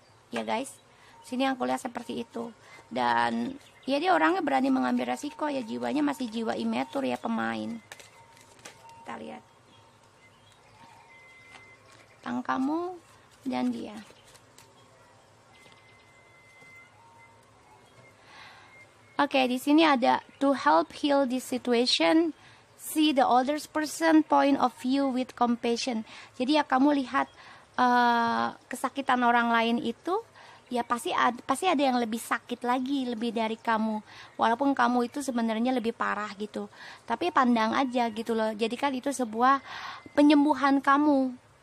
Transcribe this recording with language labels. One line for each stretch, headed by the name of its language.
Indonesian: Ya guys, sini yang kuliah seperti itu. Dan ya dia orangnya berani mengambil resiko ya, jiwanya masih jiwa imatur ya, pemain. Kita lihat tentang kamu dan dia. Oke, di sini ada
English: to help heal this situation, see the older person point of view with compassion.
Indonesian: Jadi ya kamu lihat kesakitan orang lain itu, ya pasti ada yang lebih sakit lagi, lebih dari kamu. Walaupun kamu itu sebenarnya lebih parah gitu. Tapi pandang aja gitu loh. Jadikan itu sebuah penyembuhan kamu.